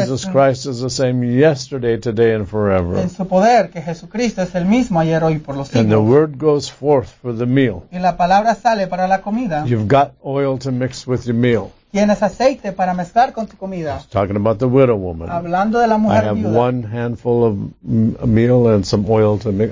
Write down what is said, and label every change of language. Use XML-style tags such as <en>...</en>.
<en>Jesus Christ is the same yesterday, today, and forever.</en> <es>En su poder, que Jesucristo es el mismo ayer, hoy, por los siglos.</es> <en>And the word goes forth for the meal.</en> <es>Y la palabra sale para la comida.</es> <en>You've got oil to mix with your meal.</en> <es>Tienes aceite para mezclar con tu comida.</es> <en>He's talking about the widow woman.</en> <es>Hablando de la mujer</es> <en>I have</en> <es>viuda.</es> <en>One handful of meal and some oil to mix.</en>